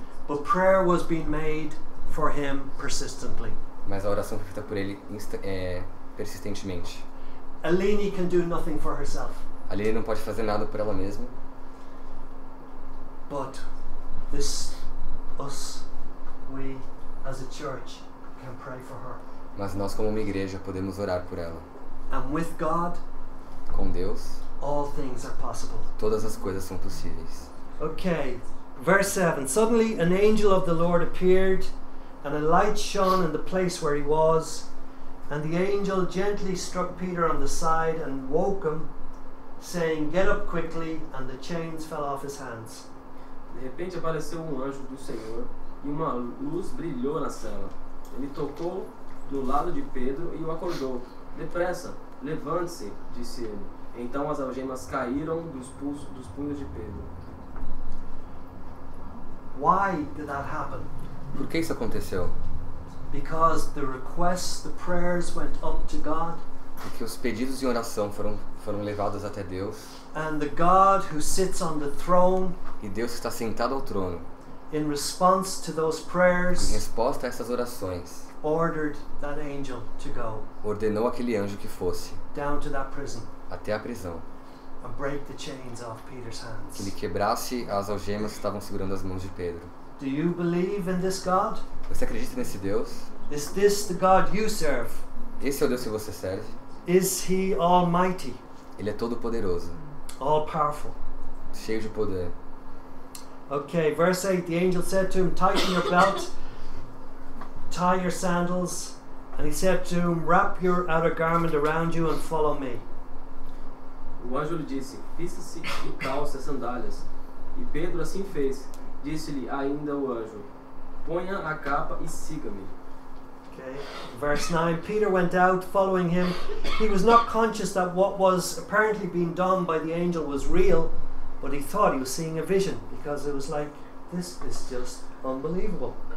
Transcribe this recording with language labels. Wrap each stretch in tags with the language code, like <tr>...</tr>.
<en>But prayer was being made for him persistently.</en> <pt>Mas a oração foi feita por ele persistentemente.</pt> <en>Eleni can do nothing for herself.</en> <pt>Eleni não pode fazer nada por ela mesma.</pt> <en>But this us, we as a church can pray for her.</en> <pt>Mas nós como uma igreja podemos orar por ela.</pt> <en>And with God,</en> <pt>com Deus,</pt> <en>all things are possible.</en> <pt>Todas as coisas são possíveis.</pt> <en>Okay, verse 7. Suddenly an angel of the Lord appeared, and a light shone in the place where he was. And the angel gently struck Peter on the side and woke him, saying, "Get up quickly," and the chains fell off his hands.</en> <pt>De repente apareceu anjo do Senhor, e uma luz brilhou na cela. Ele tocou do lado de Pedro e o acordou. "Depressa, levante-se," disse ele. Então as algemas caíram dos punhos de Pedro.</pt> <en>Why did that happen?</en> <pt>Por que isso aconteceu?</pt> <en>Because the requests, the prayers went up to God.</en> <pt>Porque os pedidos de oração foram levados até Deus.</pt> <en>And the God who sits on the throne.</en> <pt>E Deus que está sentado ao trono.</pt> <en>In response to those prayers.</en> <pt>Em resposta a essas orações.</pt> <en>Ordered that angel to go.</en> <pt>Ordenou aquele anjo que fosse.</pt> <en>Down to that prison.</en> <pt>Até a prisão.</pt> <en>And break the chains off Peter's hands.</en> <pt>Que ele quebrasse as algemas que estavam segurando as mãos de Pedro.</pt> <en>Do you believe in this God?</en> <pt>Você acredita nesse Deus?</pt> <en>Is this the God you serve?</en> <pt>Esse é o Deus que você serve?</pt> <en>Is he almighty?</en> <pt>Ele é todo poderoso.</pt> <en>All powerful.</en> <pt>Cheio de poder.</pt> <en>Okay, verse 8. The angel said to him, "Tighten your belt, tie your sandals," and he said to him, "Wrap your outer garment around you and follow me."</en> <pt>O anjo lhe disse, vista-se de calça e sandálias. E Pedro assim fez. Disse-lhe ainda o anjo, ponha a capa e siga-me.</pt> <en>Okay. Verse 9. Peter went out following him. He was not conscious that what was apparently being done by the angel was real, but he thought he was seeing a vision, because it was like, this is just unbelievable.</en>